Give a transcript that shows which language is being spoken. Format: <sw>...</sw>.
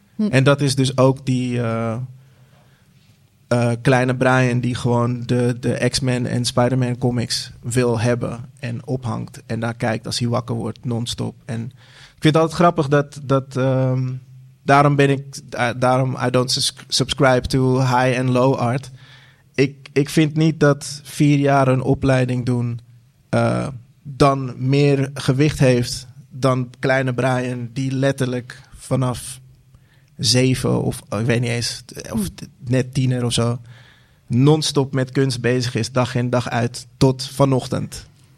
<nl>En dat is dus ook die kleine Brian die gewoon de X-Men en Spider-Man comics wil hebben en ophangt. En daar kijkt als hij wakker wordt, non-stop. En ik vind het altijd grappig dat daarom ben ik... Daarom</nl> <en>I don't subscribe to high and low art...</en> <nl>Ik vind niet dat 4 jaar een opleiding doen dan meer gewicht heeft dan kleine Brian die letterlijk vanaf 7 of ik weet niet eens, of net 10er of zo, non-stop met kunst bezig is, dag in dag uit, tot vanochtend.</nl>